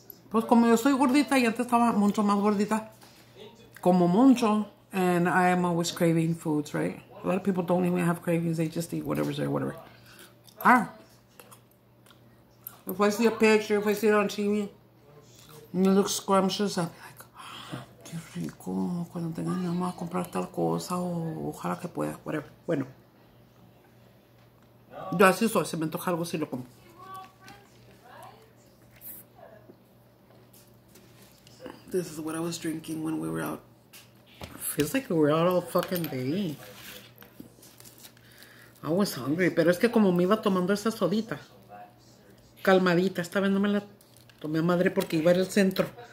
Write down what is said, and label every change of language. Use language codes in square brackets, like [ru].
[es] Pues como yo soy gordita y antes estaba mucho más gordita. Como mucho. [en] And I am always craving foods, right? A lot of people don't even have cravings. They just eat whatever's there, whatever. Ah. If I see a picture, if I see it on TV, and it looks scrumptious, I'll be like, [es] qué rico, cuando tenga mi mamá a comprar tal cosa, o ojalá que pueda, [en] whatever. [es] Bueno, yo así soy, se me antoja algo si lo como. [en] This is what I was drinking when we were out. Feels like we were out all fucking day. I was hungry, [es] pero es que como me iba tomando esa sodita, calmadita, esta vez no me la tomé a madre porque iba al centro.